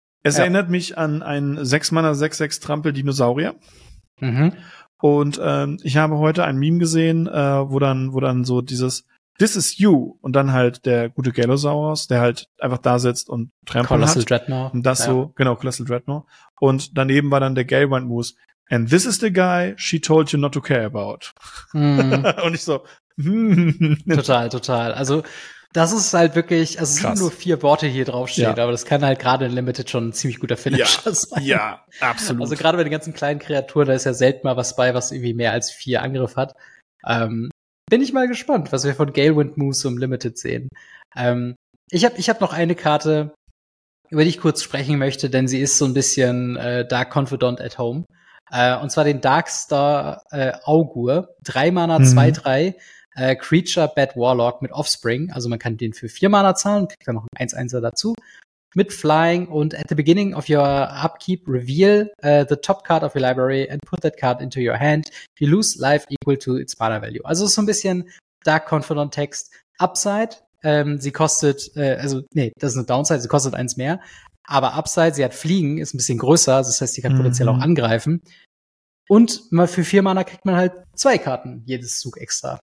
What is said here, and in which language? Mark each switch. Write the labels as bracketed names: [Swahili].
[German] es erinnert mich an einen 6-Mana, 6-6 Trampel Dinosaurier. Und ich habe heute ein Meme gesehen, wo dann so dieses [English] This is you. [German] Und dann halt der gute Gallosaurus, der halt einfach da sitzt und Trampel hat. Colossal Dreadnought. Und das so, genau, Colossal Dreadnought. Und daneben war dann der Galewind Moose. [English] And this is the guy she told you not to care about. [German] Und ich so, Total. Also, das ist halt wirklich, also es sind nur 4 Worte hier draufstehen, aber das kann halt gerade in Limited schon ein ziemlich guter Finisher sein. Ja, absolut. Also gerade bei den ganzen kleinen Kreaturen, da ist ja selten mal was bei, was irgendwie mehr als 4 Angriff hat. Bin ich mal gespannt, was wir von Galewind Moose im Limited sehen. Ich hab noch eine Karte, über die ich kurz sprechen möchte, denn sie ist so ein bisschen Dark Confidant at Home. Und zwar den Darkstar Augur. 3 Mana, 2-3. Creature Bad Warlock mit Offspring. Also man kann den für 4 Mana zahlen, kriegt dann noch ein 1-1er dazu. Mit Flying und [English] at the beginning of your upkeep, reveal the top card of your library and put that card into your hand. You lose life equal to its mana value. [German] Also so ein bisschen Dark Confidant Text. Upside, sie kostet, das ist eine Downside, sie kostet 1 mehr. Aber Upside, sie hat Fliegen, ist ein bisschen größer, also das heißt, sie kann potenziell auch angreifen. Und mal für 4 Mana kriegt man halt 2 Karten jedes Zug extra.